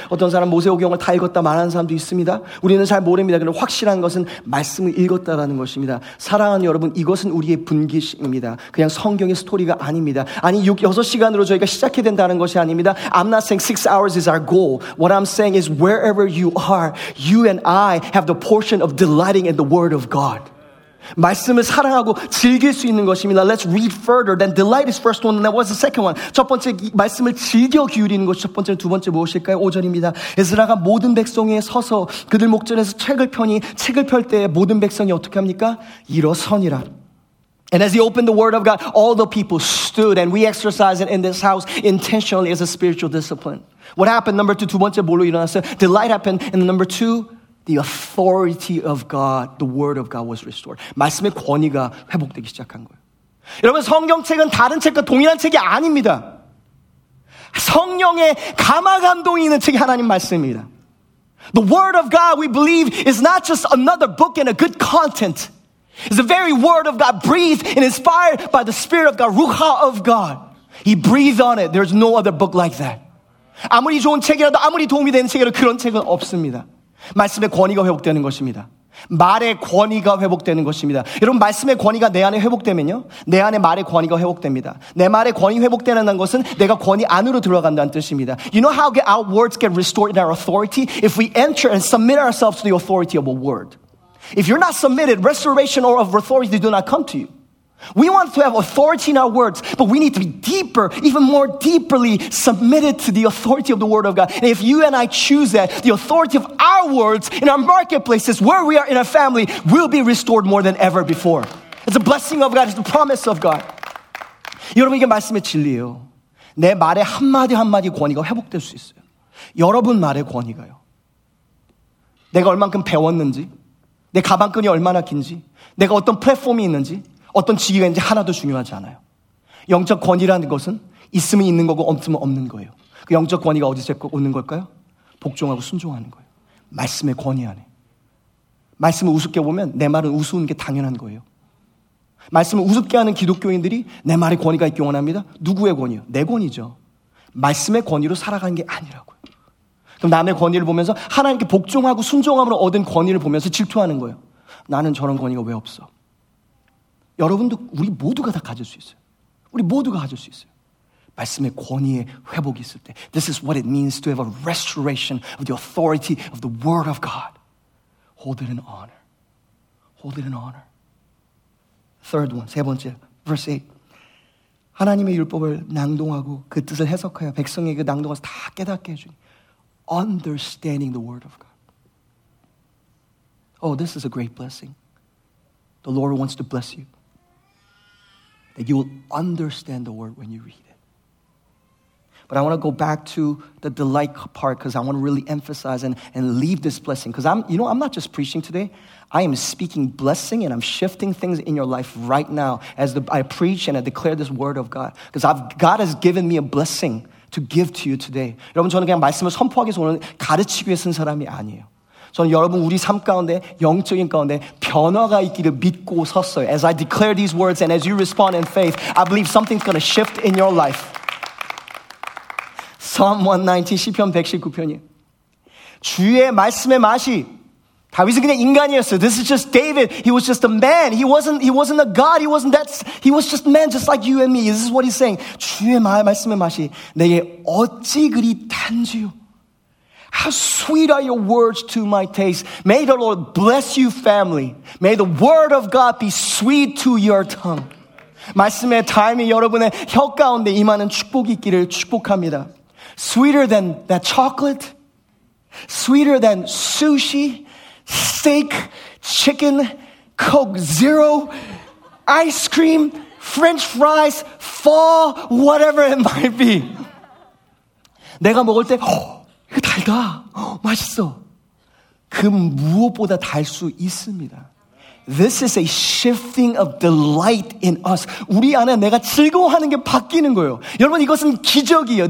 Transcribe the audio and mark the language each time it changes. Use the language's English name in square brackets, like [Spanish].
[Korean] 어떤 사람 모세오경을 다 읽었다 말하는 사람도 있습니다. 우리는 잘 모릅니다. 그런데 확실한 것은 말씀을 읽었다라는 것입니다. 사랑하는 여러분, 이것은 우리의 분기입니다. 그냥 성경의 스토리가 아닙니다. 아니, 6시간으로 저희가 시작해야 된다는 것이 아닙니다. [English] I'm not saying 6 hours is our goal. What I'm saying is wherever you are, you and I have the portion of delighting in the word of God. [Korean] 말씀을 사랑하고 즐길 수 있는 것입니다. [English] Let's read further. Then delight is first one. And that was the second one. [Korean] 첫 번째 말씀을 즐겨 기울이는 것이 첫 번째는 두 번째 무엇일까요? 5절입니다. 에스라가 모든 백성에 서서 그들 목전에서 책을 펴니 책을 펼 때 모든 백성이 어떻게 합니까? 일어서니라. [English] And as he opened the word of God, all the people stood and we exercised it in this house intentionally as a spiritual discipline. What happened? Number two, [Korean] 두 번째 뭘로 일어났어요? [English] Delight happened. And number two, The authority of God, the word of God was restored. [Korean] 말씀의 권위가 회복되기 시작한 거예요. 여러분 성경책은 다른 책과 동일한 책이 아닙니다. 성령의 감화 감동이 있는 책이 하나님 말씀입니다. [English] The word of God we believe is not just another book and a good content. It's the very word of God breathed and inspired by the spirit of God, Ruha of God. He breathed on it. There's no other book like that. [Korean] 아무리 좋은 책이라도 아무리 도움이 되는 책이라도 그런 책은 없습니다. 말씀의 권위가 회복되는 것입니다. 말의 권위가 회복되는 것입니다. 여러분 말씀의 권위가 내 안에 회복되면요 내 안에 말의 권위가 회복됩니다. 내 말의 권위 회복되는 것은 내가 권위 안으로 들어간다는 뜻입니다. [English] You know how our words get restored in our authority? If we enter and submit ourselves to the authority of a word. If you're not submitted, restoration or of authority do not come to you. We want to have authority in our words, but we need to be deeper, even more deeply submitted to the authority of the word of God. And if you and I choose that, the authority of our words in our marketplaces, where we are in our family, will be restored more than ever before. It's a blessing of God. It's the promise of God. [Korean] 여러분, 이게 말씀의 진리예요. 내 말의 한마디 한마디 권위가 회복될 수 있어요. 여러분 말의 권위가요. 내가 얼만큼 배웠는지, 내 가방끈이 얼마나 긴지, 내가 어떤 플랫폼이 있는지, 어떤 지위가 있는지 하나도 중요하지 않아요. 영적 권위라는 것은 있으면 있는 거고 없으면 없는 거예요. 그 영적 권위가 어디서 오는 걸까요? 복종하고 순종하는 거예요. 말씀의 권위 안에. 말씀을 우습게 보면 내 말은 우스운 게 당연한 거예요. 말씀을 우습게 하는 기독교인들이 내 말에 권위가 있기 원합니다. 누구의 권위요? 내 권위죠. 말씀의 권위로 살아가는 게 아니라고요. 그럼 남의 권위를 보면서 하나님께 복종하고 순종함으로 얻은 권위를 보면서 질투하는 거예요. 나는 저런 권위가 왜 없어? 여러분도 우리 모두가 다 가질 수 있어요. 우리 모두가 가질 수 있어요. 말씀의 권위의 회복이 있을 때 [English] This is what it means to have a restoration of the authority of the word of God. Hold it in honor. Hold it in honor. Third one, [Korean] 세 번째, [English] verse 8. [Korean] 하나님의 율법을 낭독하고 그 뜻을 해석하여 백성에게 그 낭독해서 다 깨닫게 해주니 [English] Understanding the word of God. Oh, this is a great blessing. The Lord wants to bless you. That you will understand the word when you read it. But I want to go back to the delight part because I want to really emphasize and leave this blessing. Because I'm not just preaching today. I am speaking blessing and I'm shifting things in your life right now as I preach and I declare this word of God. Because God has given me a blessing to give to you today. [Korean] 여러분, 저는 그냥 말씀을 선포하기 위해서 오늘 가르치기 위해 쓴 사람이 아니에요. 저는 여러분 우리 삶 가운데 영적인 가운데 변화가 있기를 믿고 섰어요. [English] As I declare these words and as you respond in faith, I believe something's going to shift in your life. [Korean] Psalm 119, 시편 119편이 주의 말씀의 맛이 다윗은 그냥 인간이었어요. [English] This is just David. He was just a man. He wasn't a god. He was just a man just like you and me. This is what he's saying. [Korean] 주의 말씀의 맛이 내게 어찌 그리 단지요. [English] How sweet are your words to my taste. May the Lord bless you, family. May the word of God be sweet to your tongue. [Korean] 말씀의 타이밍 여러분의 혀 가운데 임하는 축복이 있기를 축복합니다. [English] Sweeter than that chocolate, sweeter than sushi, steak, chicken, Coke Zero, ice cream, French fries, fall, whatever it might be. [Korean] 내가 먹을 때, 이거 달다, 맛있어. 그 무엇보다 달 수 있습니다. [English] This is a shifting of delight in us. [Korean] 우리 안에 내가 즐거워하는 게 바뀌는 거예요. 여러분, 이것은 기적이에요.